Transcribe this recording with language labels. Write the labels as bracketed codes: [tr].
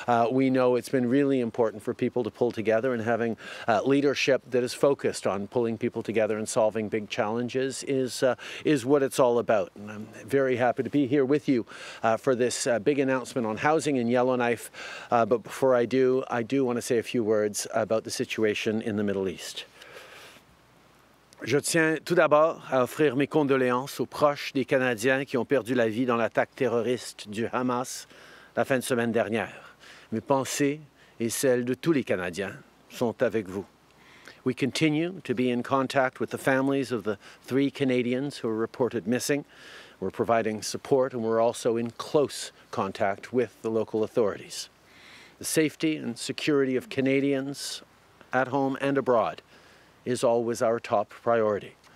[en] We know it's been really important for people to pull together, and having leadership that is focused on pulling people together and solving big challenges is what it's all about. And I'm very happy to be here with you for this big announcement on housing in Yellowknife. But before I do, I do want to say a few words about the situation in the Middle East. [fr] Je tiens tout d'abord à offrir mes condoléances aux proches des Canadiens qui ont perdu la vie dans l'attaque terroriste du Hamas la fin de semaine dernière. Mes pensées et celles de tous les Canadiens sont avec vous. [en] We continue to be in contact with the families of the three Canadians who are reported missing. We're providing support and we're also in close contact with the local authorities. The safety and security of Canadians at home and abroad is always our top priority.